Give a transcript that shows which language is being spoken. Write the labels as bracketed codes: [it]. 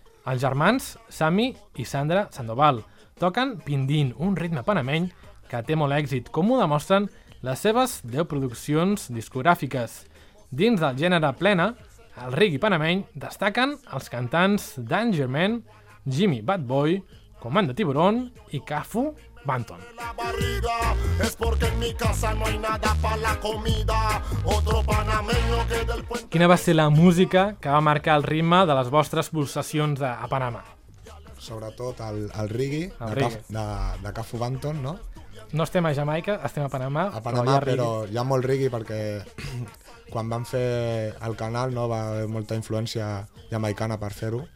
[ca] Els germans Sammy i Sandra Sandoval toquen pindin, un ritme panameny que té molt èxit, com ho demostren les seves 10 produccions discogràfiques. Dins del gènere plena, el reggae panameny, destaquen els cantants Danger Man, Jimmy Bad Boy, Comando Tiburón i Cafu Banton. [es] La barriga es porque en mi casa no hay nada para la comida. Otro panameño que del puente. [ca] Quina va ser la música que va marcar el ritme de les vostres pulsacions a Panamà? Sobretot el reggae, de Cafu Banton, no? No estem a Jamaica, estem a Panamà. A Panamà, però hi ha molt reggae perquè quan vam fer el canal no va haver molta influència jamaicana per fer-ho.